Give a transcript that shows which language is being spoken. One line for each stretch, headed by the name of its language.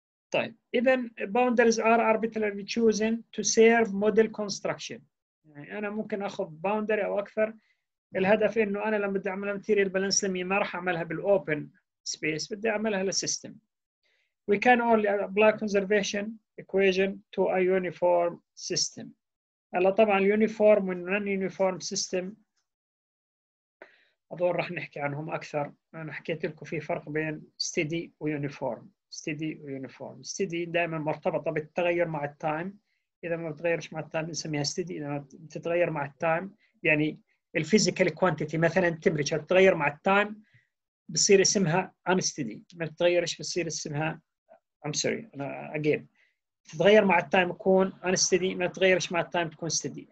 Arabic: طيب إذا
English: boundaries are arbitrarily chosen to serve model construction،
Arabic: يعني أنا ممكن أخذ boundary أو أكثر، الهدف إنه أنا لما بدي أعمل
English: material balance limit
Arabic: ما راح أعملها بالopen space، بدي أعملها للسيستم.
English: We can only apply conservation equation to a uniform system.
Arabic: هلا طبعا uniform و non-uniform system هذول راح نحكي عنهم اكثر. انا حكيت لكم في فرق بين ستيدي ويونيفورم. ستيدي ويونيفورم، ستيدي دائما مرتبطه بالتغير مع التايم، اذا ما بتغيرش مع التايم بنسميها ستيدي، اذا ما بتتغير مع التايم يعني الفيزيكال كوانتيتي مثلا تمبريتشر بتغير مع التايم بصير اسمها ان ستيدي، ما بتغيرش بصير اسمها ام سوري انا اجين تتغير مع التايم تكون ان ستيدي، ما تتغيرش مع التايم تكون ستيدي.